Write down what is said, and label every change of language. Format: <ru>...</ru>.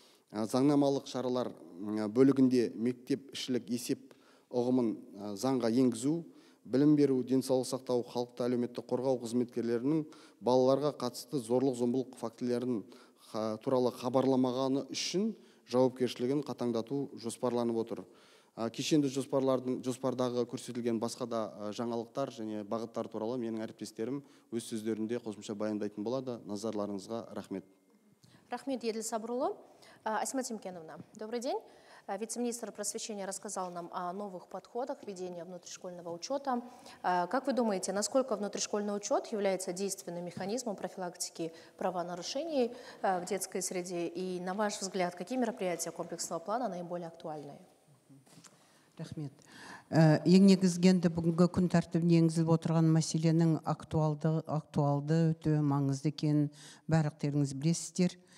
<kk>Заңнамалық шаралар бөлігінде мектеп ішілік есеп ұғымын заңға енгізу, білім беру, денсаулық сақтау, халықты әлеуметтік қорғау қызметкерлерінің балаларға қатысты зорлық-зомбылық фактілерін туралы хабарламағаны үшін жауапкершілігін қатаңдату жоспарланып отыр. Кешенді жоспардағы көрсетілген басқа да жаңалықтар және бағыттар туралы менің әріптестерім өз сөздерінде қосымша баяндайтын болады. Назарларыңызға рахмет. Рахмет, Еділ Сабырұлы.</kk> <ru>Асима Тимкеновна, добрый день. Вице-министр просвещения рассказал нам о новых подходах ведения внутришкольного учета. Как вы думаете, насколько внутришкольный учет является действенным механизмом профилактики правонарушений в детской среде? И на ваш взгляд, какие мероприятия комплексного плана наиболее актуальны?</ru> <kk>Рахмет. Ең негізгенде бүгінгі күн тәртібіне енгізіліп отырған мәселенің актуалды өте маңызды екенін бәріңіз білесіздер.</kk>